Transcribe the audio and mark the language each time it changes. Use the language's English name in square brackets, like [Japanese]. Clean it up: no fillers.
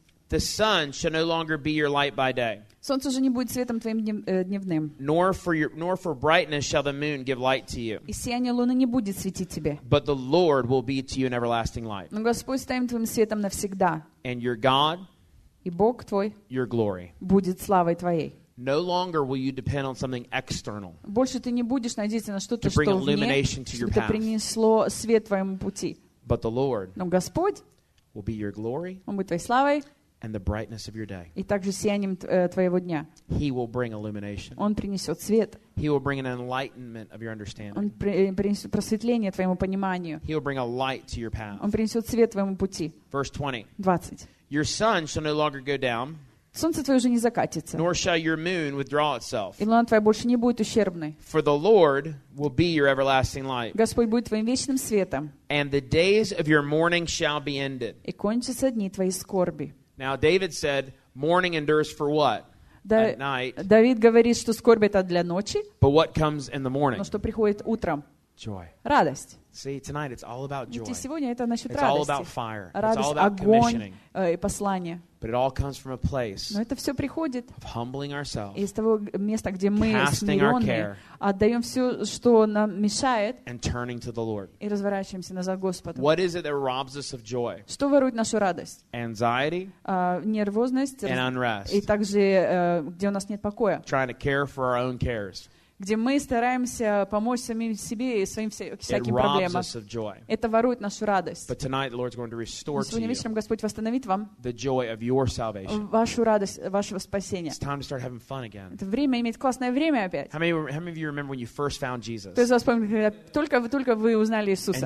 [English] The sun shall no longer be your light by day. [Russian] Солнце уже не будет светом твоим дневным. [English] Nor for brightness shall the moon give light to you. [Russian] И сияние луны не будет светить тебе. [English] But the Lord will be to you an everlasting light. [Russian] Но Господь станет твоим светом навсегда. [English] And your God. [Russian] И Бог твой. [English] Your glory. [Russian] Будет славой твоей. [English] No longer will you depend on something external. [Russian] Больше ты не будешь надеяться на что-то, что вне. [English] To bring illumination to your path. [Russian] Чтобы это принесло свет твоему пути. [English] But the Lord [Russian] Но Господь [English] will be your glory [Russian] Он будет твоей славой [English] and the brightness of your day. [Russian] И также сиянием твоего дня. [English] He will bring illumination. [Russian] Он принесет свет. [English] He will bring an enlightenment of your understanding. [Russian] Он принесет просветление твоему пониманию. [English] He will bring a light to your path. [Russian] Он принесет свет твоему пути. [English] Verse 20. Your sun shall no longer go down. [Russian] Солнце твое уже не закатится. [English] Nor shall your moon withdraw itself. [Russian] И луна твоя больше не будет ущербной. [English] For the Lord will be your everlasting light. [Russian] Господь будет твоим вечным светом. [English] And the days of your mourning shall be ended. [Russian] И кончатся дни твои скорби. [English] Now David said, "Mourning endures for what? At night." [Russian] Давид говорит, что скорбь это для ночи. [English] But what comes in the morning? [Russian] Но что приходит утром? [English] Joy. [Russian] Радость. [English] See, tonight it's all about joy. [Russian] Ведь сегодня это насчет [English] it's [Russian] радости. [English] All about fire. [Russian] Радость, [English] it's all about [Russian] огонь и послание. [English] But it all comes from a place. [Russian] Но это все приходит [English] of humbling ourselves. [Russian] Из того места, где мы смиренные, отдаем все, что нам мешает, [English] and turning to the Lord. [Russian] И разворачиваемся назад к Господу. [English] What is it that robs us of joy? [Russian] Что ворует нашу радость? [English] Anxiety. [Russian] Нервозность. [English] And unrest. [Russian] И также где у нас нет покоя. [English] Trying to care for our own cares. [Russian] Где мы стараемся помочь самим себе и своим всяким проблемам. Это ворует нашу радость. Но сегодня вечером Господь восстановит вам вашу радость, вашего спасения. Это время иметь классное время опять. [English] How many of you remember when you first found Jesus? [Russian] Кто из вас помнит, когда только вы узнали Иисуса?